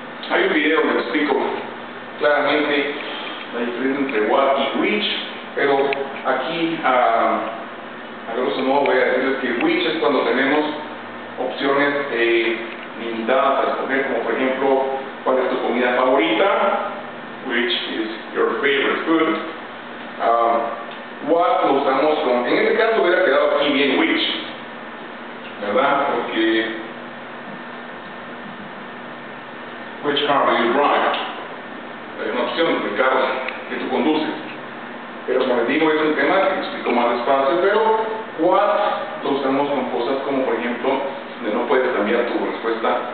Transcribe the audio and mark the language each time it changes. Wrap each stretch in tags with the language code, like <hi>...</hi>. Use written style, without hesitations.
<es>Hay un video donde explico claramente la diferencia entre what y which, pero aquí a grosso modo voy a decirles que which es cuando tenemos opciones limitadas a escoger, como por ejemplo, ¿cuál es tu comida favorita?</es> <en>Which is your favorite food.</en> <es>What lo usamos con, en este caso hubiera quedado aquí bien which, ¿verdad? Porque</es> <en>which car do you drive?</en> <es>Hay una opción de carro que tú conduces. Pero como les digo, es un tema que explico más despacio, pero what lo usamos con cosas como, por ejemplo, donde no puedes cambiar tu respuesta.</es>